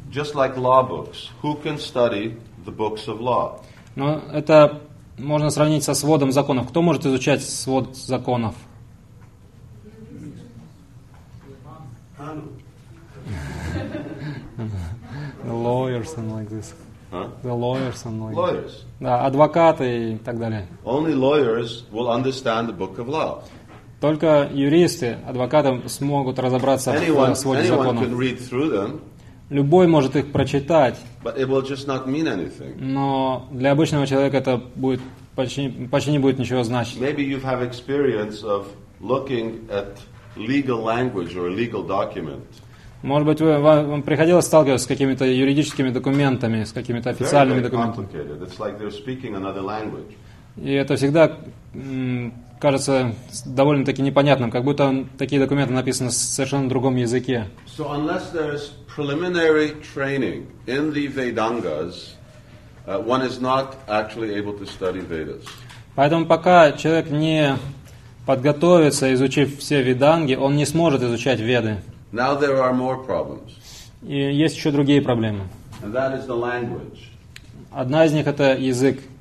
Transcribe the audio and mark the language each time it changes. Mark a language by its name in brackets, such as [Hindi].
[English] Just like law books, who can study the books of law? [Russian] Но это можно сравнить со сводом законов. Кто может изучать свод законов? [English] The lawyers and like this. Huh? The lawyers and like lawyers. [Russian] Да, адвокаты и так далее. [English] Only lawyers will understand the book of law. [Russian] Только юристы, адвокаты смогут разобраться [English] anyone, [Russian] в своде законов. [English] Can read through them, [Russian] любой может их прочитать. [English] But it will just not mean anything. [Russian] Но для обычного человека это будет почти не будет ничего значить. [English] Maybe you have experience of looking at legal language or a legal document. [Russian] Может быть, вам приходилось сталкиваться с какими-то юридическими документами, с какими-то официальными документами. [English] It's like they're speaking another language. [Russian] И это всегда кажется довольно-таки непонятным, как будто такие документы написаны в совершенно другом языке. [English] So unless there is preliminary training in the Vedangas, one is not actually able to study Vedas. [Russian] Поэтому пока человек не подготовится, изучив все веданги, он не сможет изучать Веды. [English] Now there are more problems. [Russian] И есть еще другие проблемы. [English] And that is the language. [Russian] Одна из них — это язык.